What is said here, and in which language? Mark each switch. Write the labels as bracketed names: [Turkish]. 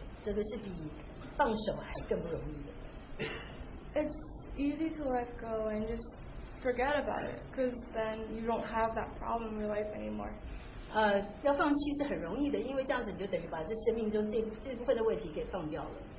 [Chinese] 那持续的抓住是很不容易的，真的是比放手还更不容易的。 [English] It's easy to let go and just forget about it, because then you don't have that problem in your life anymore. [Chinese] 要放弃是很容易的，因为这样子你就等于把这生命中这部分的问题给放掉了。